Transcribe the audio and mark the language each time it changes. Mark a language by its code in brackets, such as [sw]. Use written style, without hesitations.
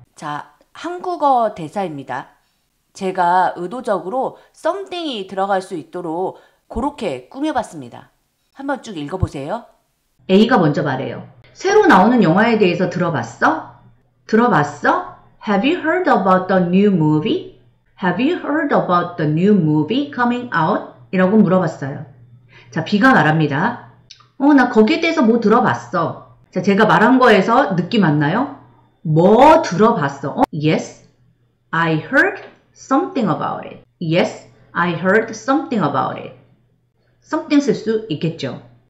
[ko] 자, 한국어 대사입니다. 제가 의도적으로 썸띵이 들어갈 수 있도록 그렇게 꾸며봤습니다. 한번 쭉 읽어보세요. A가 먼저 말해요. 새로 나오는 영화에 대해서 들어봤어? 들어봤어? [en] Have you heard about the new movie? Have you heard about the new movie coming out? [ko] 이라고 물어봤어요. 자, B가 말합니다. 나 거기에 대해서 뭐 들어봤어? 자, 제가 말한 거에서 느낌 안 나요? 뭐 들어봤어? [en] Yes, I heard something about it. Yes, I heard something about it. Something [ko] 쓸 수 있겠죠.